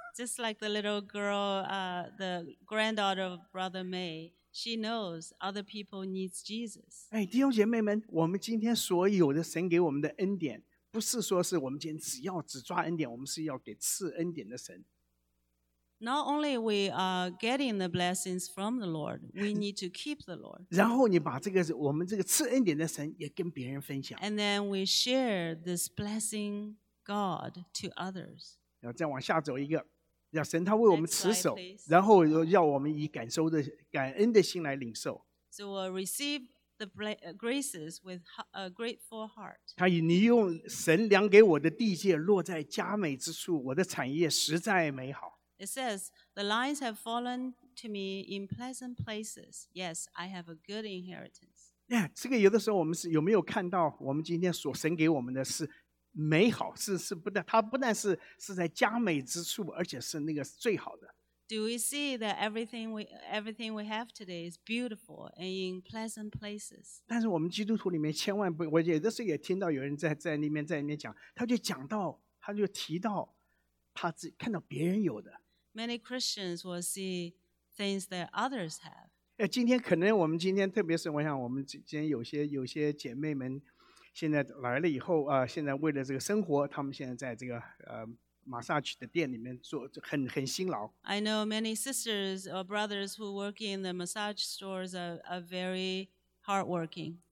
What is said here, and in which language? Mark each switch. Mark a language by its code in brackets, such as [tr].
[en] Just like the little girl, the granddaughter of Brother May, she knows other people need Jesus. [zh] 哎，弟兄姐妹们，我们今天所有的神给我们的恩典，不是说是我们今天只抓恩典，我们是要给赐恩典的神。 [en] Not only we are getting the blessings from the Lord, we need to keep the Lord. [zh] 然后你把这个我们这个赐恩典的神也跟别人分享。 [en] And then we share this blessing God to others. [zh] 然后再往下走一个，让神他为我们持守， [en] Next slide, please. [zh] 然后要我们以感恩的心来领受。 [en] So we'll receive the graces with a grateful heart. [zh] 他以你用神量给我的地界落在佳美之处，我的产业实在美好。 [en] It says, the lines have fallen to me in pleasant places. Yes, I have a good inheritance. [zh] Yeah, 这个有的时候我们是有没有看到我们今天所神给我们的是美好，是不但它不但是在佳美之处，而且是那个最好的。 [en] Do we see that everything we have today is beautiful and in pleasant places? [zh] 但是我们基督徒里面千万不，我有的时候也听到有人在里面讲，他就提到他自己看到别人有的。 [en] Many Christians will see things that others have. [zh] 今天可能我们今天特别是我想我们今天有些姐妹们现在来了以后啊，现在为了这个生活，他们现在在这个massage 的店里面做很辛劳。 [en] I know many sisters or brothers who work in the massage stores are very hardworking.